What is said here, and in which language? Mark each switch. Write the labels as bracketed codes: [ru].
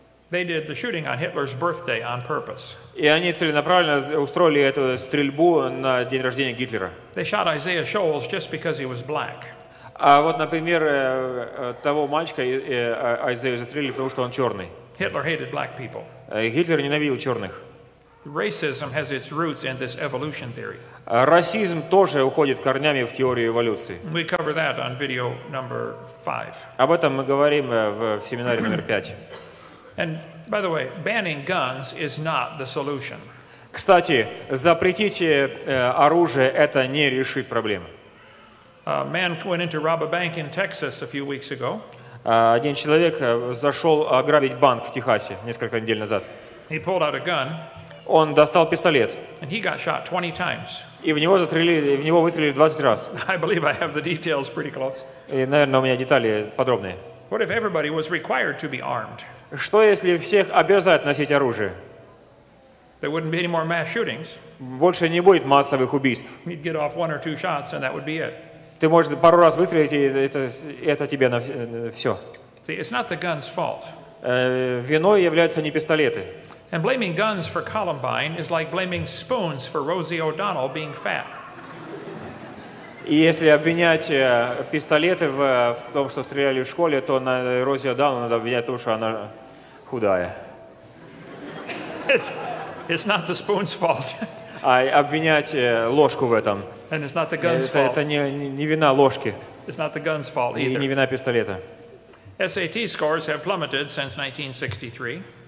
[en] They did the shooting on Hitler's birthday on purpose. [ru] И они целенаправленно устроили эту стрельбу на день рождения Гитлера. [en] They shot Isaiah Scholes just because he was black. [ru] А вот, например, того мальчика Айзея застрелили, потому что он черный. [en] Hitler hated black people. [ru] Гитлер ненавидел черных. [en] Racism has its roots in this evolution theory. [ru] Расизм тоже уходит корнями в теорию эволюции. [en] We cover that on video number 5. [ru] Об этом мы говорим в семинаре номер 5. [en] And by the way, banning guns is not the solution. [ru] Кстати, запретить оружие это не решит проблемы. [en] A man went in to rob a bank in Texas a few weeks ago. [ru] Один человек зашел ограбить банк в Техасе несколько недель назад. [en] He pulled out a gun. [ru] Он достал пистолет. [en] And he got shot 20 times. [ru] И в него выстрелили 20 раз. [en] I believe I have the details pretty close. [ru] И, наверное, у меня детали подробные. [en] What if everybody was required to be armed? [ru] Что если всех обязать носить оружие? [en] There wouldn't be any more mass shootings. [ru] Больше не будет массовых убийств. [en] You'd get off one or two shots and that would be it. [ru] Ты можешь пару раз выстрелить, и это тебе на все. [en] See, it's not the gun's fault. [ru] Виной являются не пистолеты. [en] And blaming guns for Columbine is like blaming spoons for Rosie O'Donnell being fat. [ru] И если обвинять пистолеты в том, что стреляли в школе, то на Рози О'Даннелл надо обвинять в том, что она худая. [en] It's not the spoon's fault. [ru] А обвинять ложку в этом. [en] And it's not the gun's fault. [ru] Это не вина ложки. [en] It's not the gun's fault either. [ru] И не вина пистолета. [en] SAT scores have plummeted since 1963.